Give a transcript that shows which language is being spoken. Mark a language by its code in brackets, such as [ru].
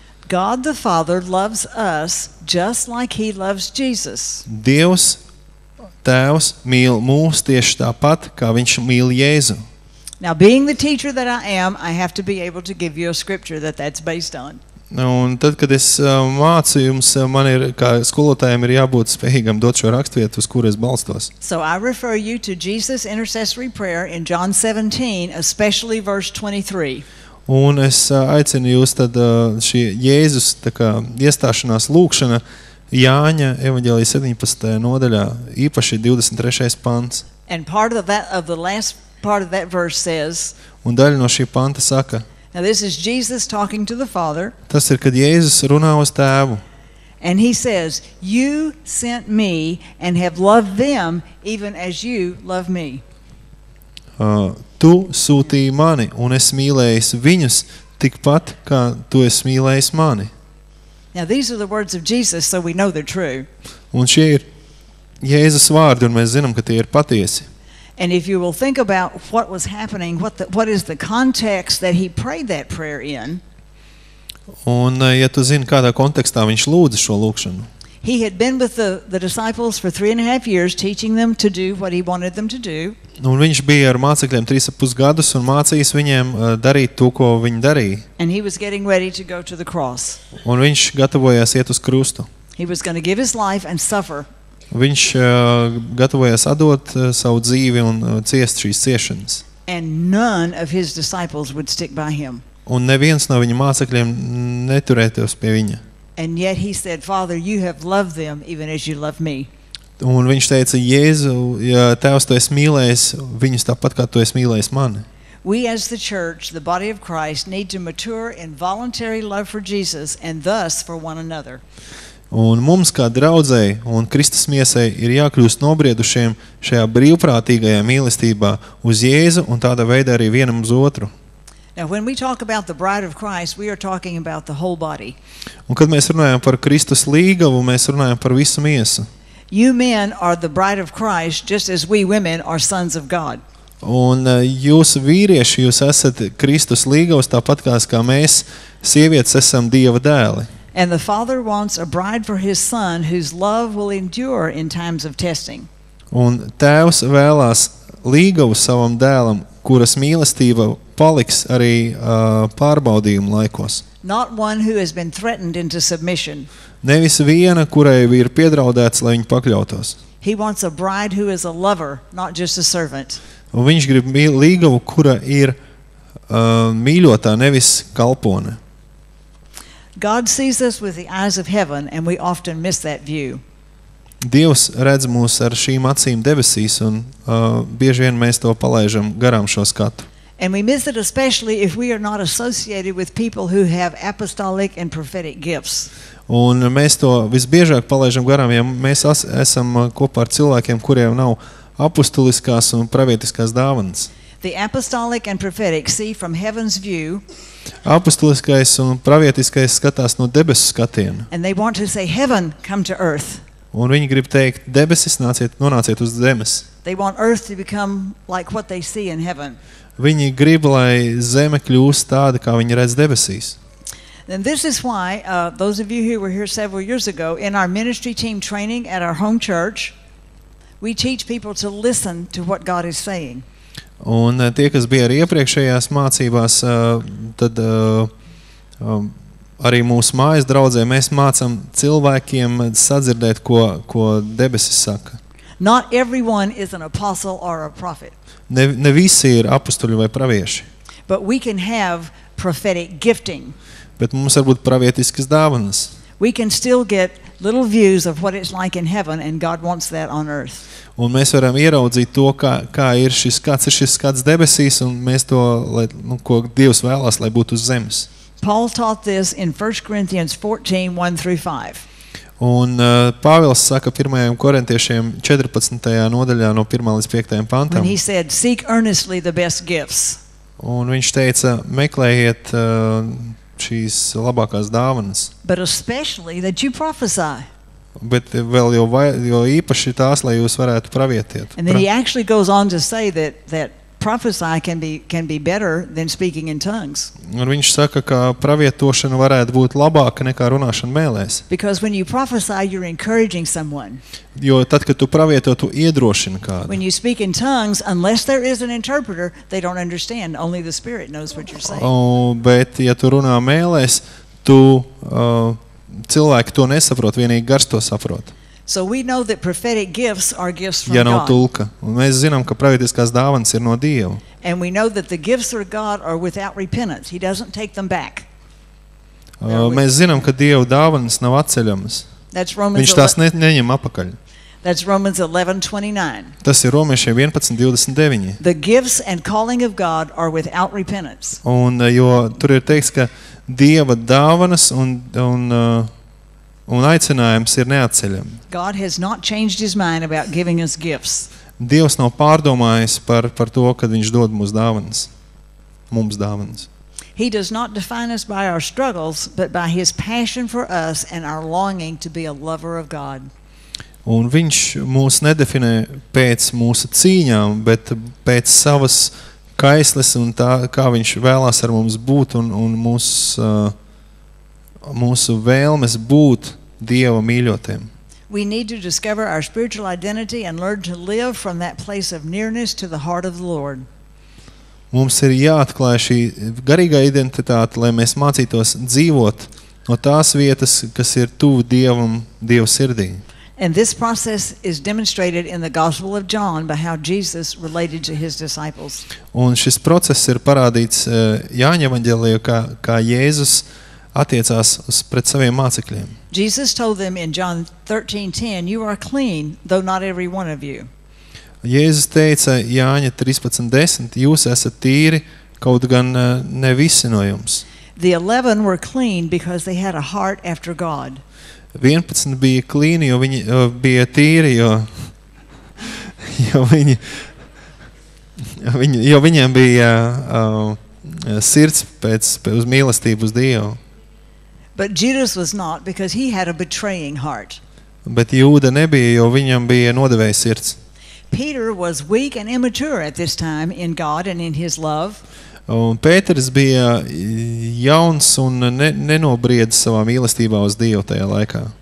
[en] God the Father loves us just like he loves Jesus. [lv] Dievs Tēvs mīl mūs tieši tāpat, kā viņš mīl Jēzu. [en] Now being the teacher that I am, I have to be able to give you a scripture that that's based on. [lv] Un tad, kad es mācu jums, man ir, kā skolotājiem ir jābūt spējīgam dot šo rakstvietu, uz kuru es balstos. [en] So I refer you to Jesus' intercessory prayer in John 17, especially verse 23. [lv] Un es aicinu jūs tad šī Jēzus tā kā iestāšanās lūkšana Jāņa evaņģēlija 17. Nodaļā, īpaši 23. Pants. [en] And part of that, of the last part of that verse says, [lv] un daļa no šī panta saka, [en] now this is Jesus talking to the Father. [lv] Tas ir, kad Jēzus runā uz Tēvu. [en] And he says, you sent me and have loved them even as you love me. [lv] Tu sūtīji mani un es mīlējis viņus tikpat, kā tu esi mīlējis mani. [en] Now these are the words of Jesus, so we know they're true. [lv] Un šie ir Jēzus vārdi, un mēs zinām, ka tie ir patiesi. [en] And if you will think about what was happening, what is the context that he prayed that prayer in? [lv] Un ja tu zini, kādā kontekstā viņš lūdza šo lūkšanu. [en] He had been with the disciples for 3.5 years teaching them to do what he wanted them to do. [lv] Un viņš bija ar mācekļiem 3.5 gadus un mācījis viņiem darīt to, ko viņi darīja. [en] And he was getting ready to go to the cross. [lv] Un viņš gatavojās iet uz krustu. [en] He was going to give his life and suffer. [lv] Viņš gatavojās atdot savu dzīvi un ciest šīs ciešanas. [en] And none of his disciples would stick by him. [lv] Un neviens no viņa mācekļiem neturētos pie viņa. [en] And yet he said, Father, you have loved them even as you love me. [lv] Un viņš teica, Jēzu, ja Tēvs tu esi mīlējis viņus tāpat, kā tu esi mīlējis mani. [en] We as the church, the body of Christ, need to mature in voluntary love for Jesus and thus for one another. [lv] Un mums kā draudzei un Kristus miesai ir jākļūst nobriedušiem šajā brīvprātīgajā mīlestībā uz Jēzu un tādā veidā arī vienam uz otru. [en] Now when we talk about the bride of Christ, we are talking about the whole body. [lv] Un kad mēs runājam par Kristus līgavu, mēs runājam par visu miesu. [en] You men are the bride of Christ just as we women are sons of God. [lv] Un jūs vīrieši, jūs esat Kristus līgavas tāpat kā mēs sievietes esam Dieva dēli. [en] And the Father wants a bride for his son whose love will endure in times of testing. [lv] Un Tēvs vēlās līgavu savam dēlam, kuras mīlestība paliks arī pārbaudījumu laikos. [en] Not one who has been threatened into submission. [lv] Nevis viena, kurai ir piedraudēts, lai viņa pakļautos. [en] He wants a bride who is a lover, not just a servant. [lv] Un viņš grib līgavu, kura ir mīļotā, nevis kalpone. [en] God sees us with the eyes of heaven and we often miss that view. [lv] Dievs redz mūs ar šīm acīm debesīs un bieži vien mēs to palaižam garām šo skatu. [en] And we miss it especially if we are not associated with people who have apostolic and prophetic gifts. [lv] Un mēs to visbiežāk palaižam garām, ja mēs esam kopā ar cilvēkiem, kuriem nav apostoliskās un pravietiskās dāvanas. [en] The apostolic and prophetic see from heaven's view. [lv] Apostoliskais un pravietiskais skatās no debesu skatiena. [en] And they want to say heaven come to earth. [lv] Un viņi grib teikt, debesis nonāciet uz zemes. [en] They want earth to become like what they see in heaven. [lv] Viņi grib, lai zeme kļūst tāda, kā viņi redz debesīs. [en] And this is why those of you who were here several years ago in our ministry team training at our home church, we teach people to listen to what God is saying. [lv] Un tie, kas bija arī iepriekšējās mācībās, tad arī mūsu mājas draudzē mēs mācam cilvēkiem sadzirdēt, ko debesis saka. [en] Not everyone is an apostle or a prophet. [lv] Ne visi ir apostoļi vai pravieši. [en] But we can have prophetic gifting. [lv] Bet mums var būt pravietiskas dāvanas. [en] We can still get little views of what it's like in heaven, and God wants that on earth. [lv] Un mēs varam ieraudzīt to, kā ir šis skats, debesīs, un mēs to, lai, nu, ko Dievs vēlas, lai būtu uz zemes. [en] Paul taught this in 1 Corinthians 14, 1-5. [lv] Un Pāvils saka 1. Korintiešiem 14. Nodaļā no 1. Līdz 5. Pantam. [en] When he said, seek earnestly the best gifts. [lv] Un viņš teica, meklējiet šīs labākās dāvanas. [en] But especially that you prophesy. [lv] Bet vēl jo īpaši tās, lai jūs varētu pravietiet. [en] And then he actually goes on to say that prophesy can be better than speaking in tongues. [lv] Un viņš saka, ka pravietošana varētu būt labāka nekā runāšana mēlēs. [en] Because when you prophesy, you're encouraging someone. [lv] Jo tad, kad tu pravieto, tu iedrošini kādu. [en] When you speak in tongues, unless there is an interpreter, they don't understand. Only the Spirit knows what you're saying. [lv] Bet ja tu runā mēlēs, tu cilvēki to nesaprot, vienīgi Gars to saprot. [en] So we know that prophetic gifts are gifts from God. [lv] Ja nav tulka. Un mēs zinām, ka pravietiskās dāvanas ir no Dieva. [en] And we know that the gifts of God are without repentance. He doesn't take them back. [lv] Mēs zinām, ka Dieva dāvanas nav atceļamas. Viņš tās neņem apakaļ. [en] That's Romans 11:29. [lv] Tas ir Romiešiem 11:29. [en] The gifts and calling of God are without repentance. [lv] Un jo tur ir teikts, ka Dieva dāvanas un aicinājums ir neatceļam. [en] God has not changed his mind about giving us gifts. [lv] Dievs nav pārdomājis par to, kad viņš dod mums dāvanas. [en] He does not define us by our struggles, but by his passion for us and our longing to be a lover of God. [lv] Un viņš mūs nedefinē pēc mūsu cīņām, bet pēc savas kaislas un tā, kā viņš vēlās ar mums būt un mūsu vēlmes būt Dieva mīļotiem. [en] We need to discover our spiritual identity and learn to live from that place of nearness to the heart of the Lord. [lv] Mums ir jāatklāj šī garīgā identitāte, lai mēs mācītos dzīvot no tās vietas, kas ir tuvu Dievam, Dieva sirdī. [en] And this process is demonstrated in the Gospel of John by how Jesus related to his disciples. [lv] Un šis process ir parādīts Jāņa evaņģēlijā, kā Jēzus attiecās pret saviem mācekļiem. [en] Jesus told them in John 13:10, you are clean, though not every one of you. [lv] Jēzus teica Jāņa 13:10, jūs esat tīri, kaut gan ne visi no jums. [en] The 11 were clean because they had a heart after God. [lv] 11 bija klīni, jo viņi bija tīri, jo viņiem bija sirds pēc uz mīlestību uz Dievu. [en] But Judas was not, because he had a betraying heart. [lv] Bet Jūda nebija, jo viņam bija nodevējs sirds. [en] Peter was weak and immature at this time in God and in his love. [lv] Un Pēteris bija jauns un nenobriedis savā mīlestībā uz Dievu tajā laikā.